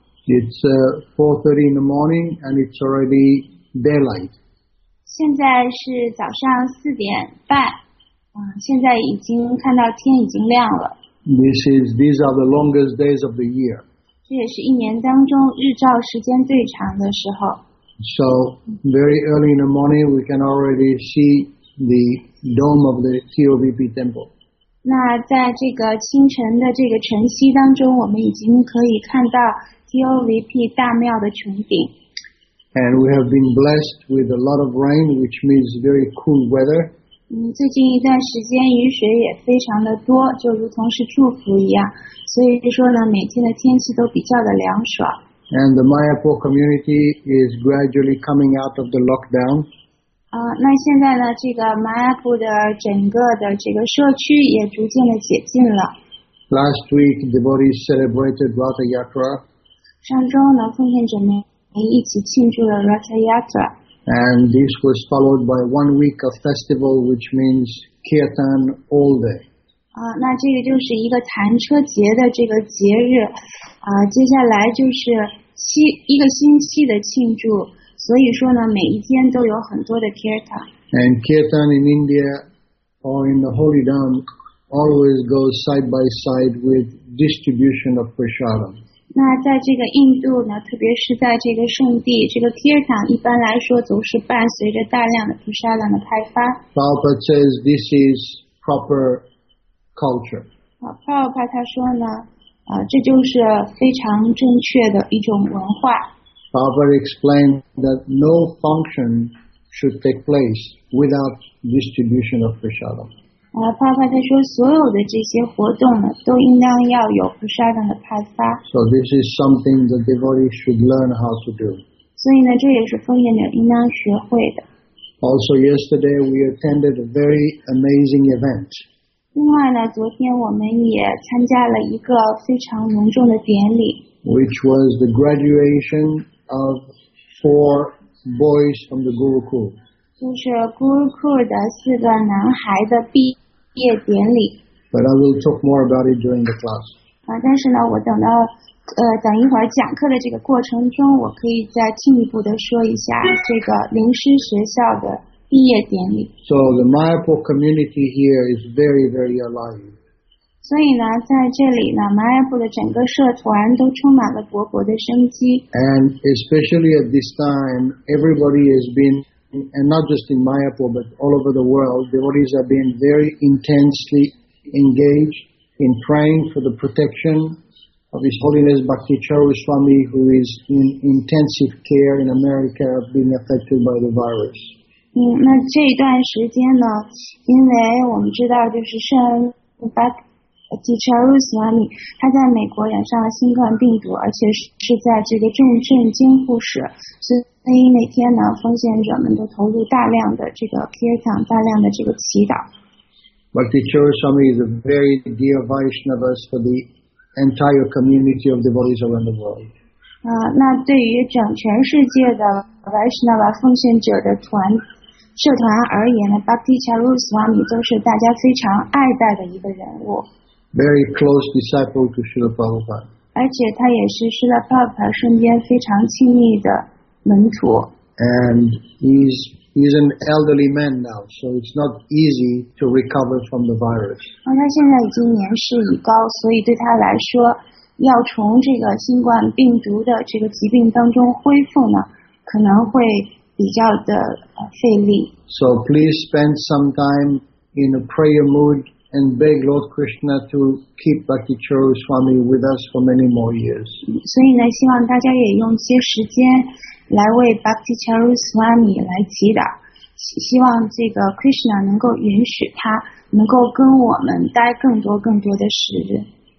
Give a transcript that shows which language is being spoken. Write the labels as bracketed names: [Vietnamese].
[English] It's 4:30 in the morning and it's already daylight. [Chinese] 现在是早上四点半，现在已经看到天已经亮了。 [English] These are the longest days of the year. [Chinese] 这也是一年当中日照时间最长的时候。 [English] So very early in the morning, we can already see the dome of the TOBP temple. [Chinese] 那在这个清晨的这个晨曦当中，我们已经可以看到 TOBP 大庙的穹顶。 [English] And we have been blessed with a lot of rain, which means very cool weather. [Chinese] 最近一段时间雨水也非常的多，就如同是祝福一样。所以说呢，每天的天气都比较的凉爽。 [English] And the Mayapur community is gradually coming out of the lockdown. [Chinese] 那现在呢，这个 Mayapur 的整个的这个社区也逐渐的解禁了。 [English] Last week, the devotees celebrated Ratha Yatra. [Chinese] 上周呢，奉献者们。一起庆祝了 Ratha Yatra. [English] And this was followed by 1 week of festival, which means Kirtan all day. [Chinese] 那这个就是一个弹车节的这个节日。接下来就是一个星期的庆祝。所以说呢，每一天都有很多的 Kirtan. [English] And Kirtan in India or in the Holy Dham always goes side by side with distribution of prasadam. [Chinese] 那在这个印度呢，特别是在这个圣地，这个 Kirtan 一般来说总是伴随着大量的 Prasadam 的派发。 [English] Prabhupada says this is proper culture. [Chinese] Prabhupada 他说呢，这就是非常正确的一种文化。 [English] Prabhupada explained that no function should take place without distribution of Prasadam. [Chinese] Prabhupada 他说所有的这些活动呢都应当要有 Prasadam 的派发。 [English] So this is something the devotee should learn how to do. [Chinese] 所以呢这也是奉献者应当学会的。 [English] Also yesterday we attended a very amazing event. [Chinese] 另外呢昨天我们也参加了一个非常隆重的典礼。 [English] Which was the graduation of 4 boys from the Gurukul. [Chinese] 就是 Gurukul 的四个男孩的毕业典礼。 [English] But I will talk more about it during the class. [Chinese] 但是呢，我等到等一会儿讲课的这个过程中，我可以再进一步的说一下这个临时学校的毕业典礼。 [English] So the Mayapur community here is very, very alive. [Chinese] 所以呢，在这里呢 ，Mayapur 的整个社团都充满了勃勃的生机。 [English] And especially at this time, everybody has been. And not just in Mayapur, but all over the world, devotees have been very intensely engaged in praying for the protection of His Holiness Bhakti Charu Swami, who is in intensive care in America, being affected by the virus. [Chinese] 那这一段时间呢，因为我们知道就是圣巴 Teacher Ruth Lani, 她在美国染上了新冠病毒，而且是在这个重症监护室，所以每天呢，奉献者们都投入大量的这个 kirtan， 大量的这个祈祷。 [English] Bhakti Chiruswami is a very dear Vaishnava for the entire community of devotees around the world. [Chinese] 那对于整全世界的 Vaishnava 奉献者的团社团而言呢 ，Bhakti Chiruswami 都是大家非常爱戴的一个人物。 [English] Very close disciple to Srila Prabhupada. [Chinese] 而且他也是 Srila Prabhupada 身边非常亲密的门徒。 [English] And he's an elderly man now, so it's not easy to recover from the virus. [Chinese] 他现在已经年事已高，所以对他来说，要从这个新冠病毒的这个疾病当中恢复呢，可能会比较的费力。 [English] So please spend some time in a prayer mood. And beg Lord Krishna to keep Bhakti Charu Swami with us for many more years. [Chinese] 所以呢，希望大家也用些时间来为 Bhakti Charu Swami 来祈祷，希望这个 Krishna 能够允许他能够跟我们待更多更多的时日。